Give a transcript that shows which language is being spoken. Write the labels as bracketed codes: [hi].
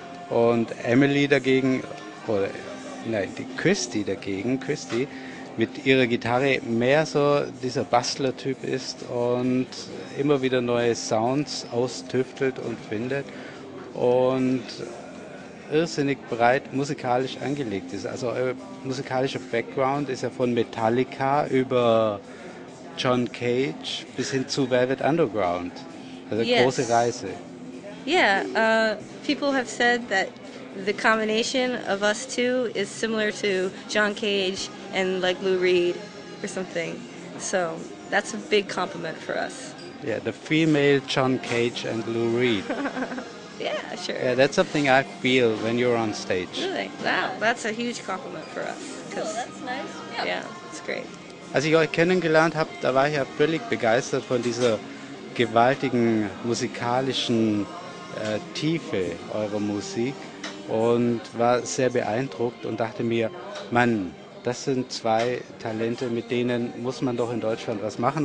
[de] Und Emily dagegen, oder nein, die CHRISTY dagegen, CHRISTY, mit ihrer Gitarre mehr so dieser Bastler-Typ ist und immer wieder neue Sounds austüftelt und findet und irrsinnig breit musikalisch angelegt ist. Also euer musikalischer Background ist ja von Metallica über John Cage bis hin zu Velvet Underground. Also [en] yes. [de] Große Reise. [en] Yeah, people have said that the combination of us two is similar to John Cage and like Lou Reed or something. So that's a big compliment for us. Yeah, the female John Cage and Lou Reed. Yeah, sure. Yeah, that's something I feel when you're on stage. Really? Wow, that's a huge compliment for us. Cool, that's nice. Yeah, it's great. [de] Als ich euch kennengelernt habe, da war ich ja völlig begeistert von dieser gewaltigen musikalischen Tiefe eurer Musik und war sehr beeindruckt und dachte mir, Mann, das sind zwei Talente, mit denen muss man doch in Deutschland was machen.